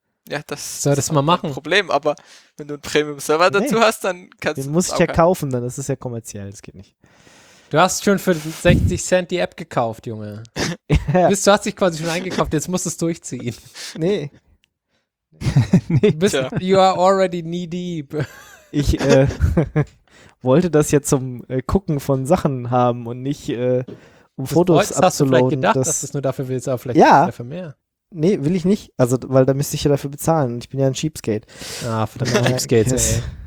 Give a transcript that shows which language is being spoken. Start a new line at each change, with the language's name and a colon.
German: Ja, das soll das mal machen. Problem, aber wenn du einen Premium-Server dazu hast, dann kannst den du den muss ich ja kaufen, dann ist es ja kommerziell, das geht nicht. Du hast schon für 60 Cent die App gekauft, Junge. Du hast dich quasi schon eingekauft, jetzt musst du es durchziehen. Nee.
English: You are already knee-deep.
German: Ich wollte das ja zum Gucken von Sachen haben und nicht um Fotos abzuladen. Hast du vielleicht gedacht, dass du es nur dafür willst, aber vielleicht dafür mehr. Nee, will ich nicht. Also, weil da müsste ich ja dafür bezahlen. Ich bin ja ein Cheapskate. Ah, verdammt. Cheapskate, ey.